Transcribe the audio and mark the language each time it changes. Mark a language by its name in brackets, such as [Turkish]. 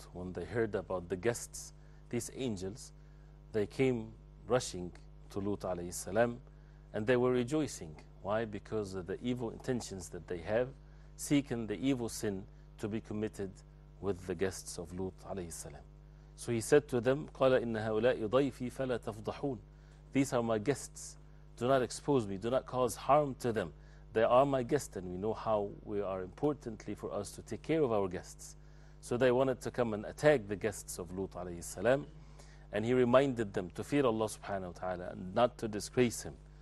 [English] When they heard about the guests, these angels, they came rushing to Lut alayhi salam, and they were rejoicing. Why? Because of the evil intentions that they have, seeking the evil sin to be committed with the guests of Lut alayhi salam. So he said to them, [Arabic] قَالَ إِنَّ هَؤُلَاءِ ضَيْفِي فَلَا تَفْضَحُونَ. [English] These are my guests, do not expose me, do not cause harm to them. They are my guests, and we know how we are importantly for us to take care of our guests. So they wanted to come and attack the guests of Lut alayhi salam, and he reminded them to fear Allah subhanahu wa ta'ala and not to disgrace him.